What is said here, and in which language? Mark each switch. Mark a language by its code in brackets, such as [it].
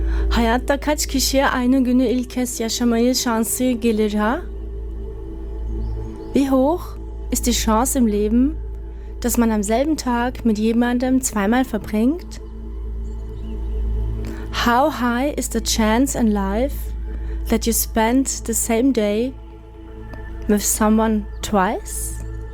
[tr] Hayatta kaç kişiye aynı günü ilk kez yaşamayı şansı gelir ha? [de] Wie hoch ist die Chance im Leben, dass man am selben Tag mit jemandem zweimal verbringt? [en] How high is the chance in life that you spend the same day with someone twice?